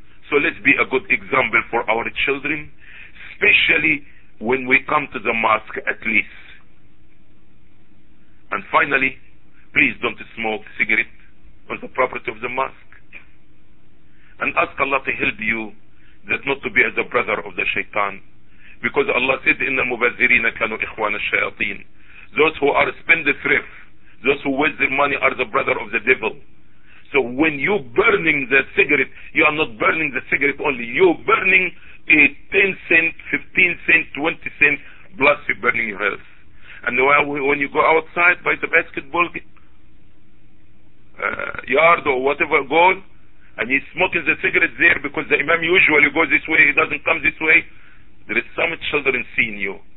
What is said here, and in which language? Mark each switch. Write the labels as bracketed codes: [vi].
[en] So let's be a good example for our children, especially when we come to the mosque at least. And finally, please don't smoke cigarette on the property of the mosque. And ask Allah to help you that not to be as a brother of the shaitan. Because Allah said [ar] إن المبذرين كانوا إخوان الشياطين. [en] Those who are spendthrift, those who waste their money are the brother of the devil. So when you burning the cigarette, you are not burning the cigarette only, you burning a 10 cent, 15 cent, 20 cent, plus you burning your health. And when you go outside by the basketball yard or whatever goal, and he's smoking the cigarette there, because the imam usually goes this way, he doesn't come this way, there is some children seeing you.